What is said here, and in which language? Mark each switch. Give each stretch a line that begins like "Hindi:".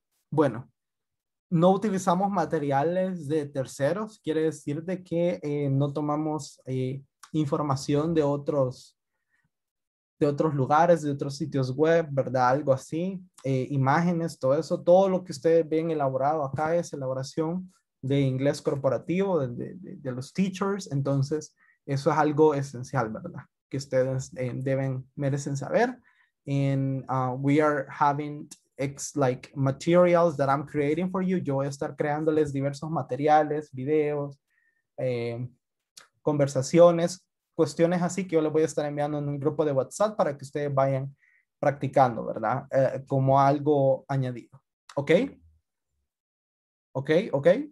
Spanish: Bueno, no utilizamos materiales de terceros, quiere decir de que no tomamos información de otros lugares, de otros sitios web, ¿verdad? Algo así, imágenes, todo eso, todo lo que ustedes ven elaborado acá es elaboración de inglés corporativo, de los teachers, entonces eso es algo esencial, ¿verdad? Que ustedes merecen saber.
English: And we are having materials that I'm creating for you.
Spanish: Yo voy a estar creándoles diversos materiales, videos, conversaciones, cuestiones así que yo les voy a estar enviando en un grupo de WhatsApp para que ustedes vayan practicando, ¿verdad? Como algo añadido. ¿Ok? ¿Ok? ¿Ok?